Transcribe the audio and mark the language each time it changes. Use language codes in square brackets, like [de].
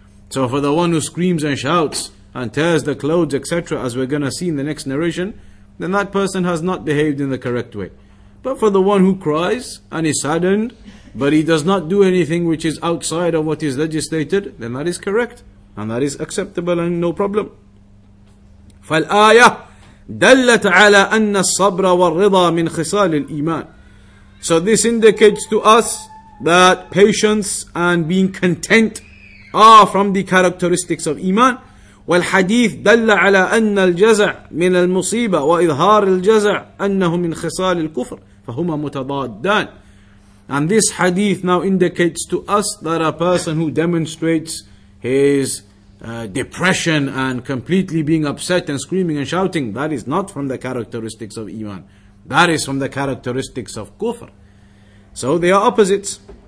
[en] So for the one who screams and shouts, and tears the clothes, etc., as we're going to see in the next narration, then that person has not behaved in the correct way. But for the one who cries, and is saddened, but he does not do anything which is outside of what is legislated, then that is correct. And that is acceptable and no problem. [ar] فالآية دلت على أن الصبر والرضا من خصال الإيمان. [en] So this indicates to us that patience and being content are from the characteristics of iman. [ar] والحديث دل على أن الجزع من المصيبة وإظهار الجزع أنه من خصال الكفر فهما متضادان. [en] And this hadith now indicates to us that a person who demonstrates his depression and completely being upset and screaming and shouting, that is not from the characteristics of iman. That is from the characteristics of kufr. So they are opposites.